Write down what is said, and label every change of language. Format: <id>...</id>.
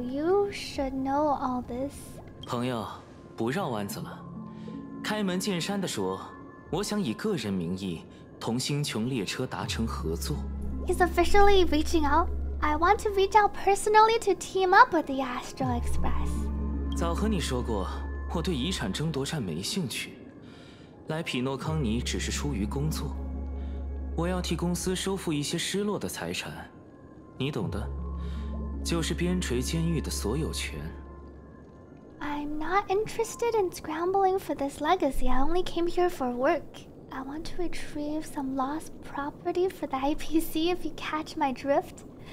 <en>You should know all this.</en> <zh>朋友，不绕弯子了。开门见山地说，我想以个人名义同星穹列车达成合作。</zh> <en>He's officially reaching out. I want to reach out personally to team up with the Astro Express.</en> <zh>早和你说过，我对遗产争夺战没兴趣。来匹诺康尼只是出于工作，我要替公司收复一些失落的财产，你懂的，就是边陲监狱的所有权。</zh> <en>I'm not interested in scrambling for this legacy. I only came here for work. I want to retrieve some lost property for the IPC, if you catch my drift.</en>